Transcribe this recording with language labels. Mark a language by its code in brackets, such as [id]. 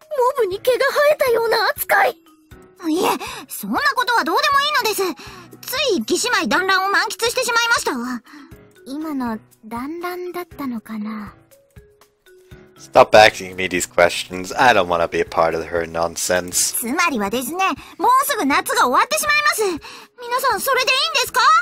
[ja] 仕方ありませんね。じゃあ、ファンディスクが出た時には複数プレイ要員として登場させてあげましょう。モブに毛が生えたような扱い!いえ、そんなことはどうでもいいのです。つい義姉妹団らんを満喫してしまいました。今の団らんだったのかな? [en] Stop asking me these questions. I don't want to be a part of her nonsense. [ja] つまりはですね、もうすぐ夏が終わってしまいます。皆さん、それでいいんですか?